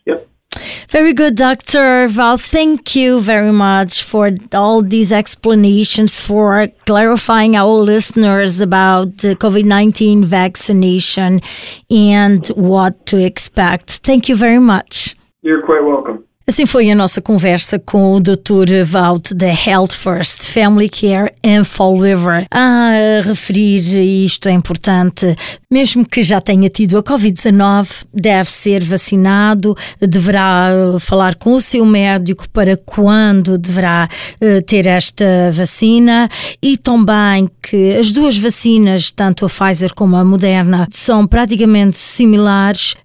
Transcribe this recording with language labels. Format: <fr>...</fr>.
<en>Yep. Very good, Dr. Val. Thank you very much for all these explanations, for clarifying our listeners about the COVID-19 vaccination and what to expect. Thank you very much. You're quite welcome.</en> <pt>Assim foi a nossa conversa com o Dr. Vault da Health First Family Care and Fall River. A referir, isto é importante, mesmo que já tenha tido a COVID-19, deve ser vacinado, deverá falar com o seu médico para quando deverá ter esta vacina, e também que as duas vacinas, tanto a Pfizer como a Moderna, são praticamente similares.</pt>